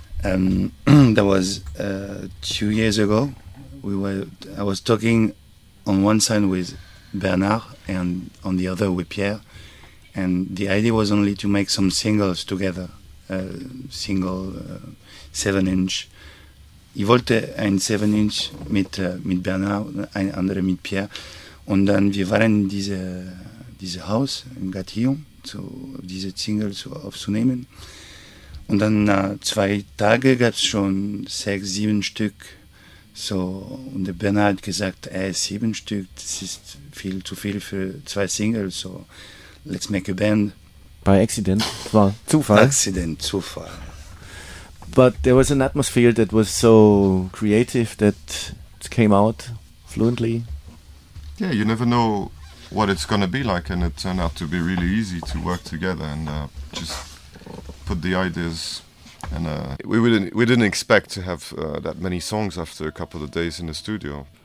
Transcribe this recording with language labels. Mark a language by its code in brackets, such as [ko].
[en] That was 2 years ago. I was talking on one side with Bernard and on the other with Pierre. And the idea was only to make some singles together, single 7-inch. [de] Ich wollte ein 7-inch mit Bernard, ein anderer mit Pierre. Und dann wir waren in diese Haus in Gatillon, so diese Singles aufzunehmen. Und dann nach 2 Tagen gab es schon 6-7 Stück. So, und der Bernhard hat gesagt, 7 Stück, das ist viel zu viel für 2 Singles, [en] so let's make a band. By accident, [de] war Zufall. [en] Accident, Zufall. But there was an atmosphere that was so creative that it came out fluently. Yeah, you never know what it's gonna be like, and it turned out to be really easy to work together and just put the ideas, and we didn't expect to have that many songs after a couple of days in the studio.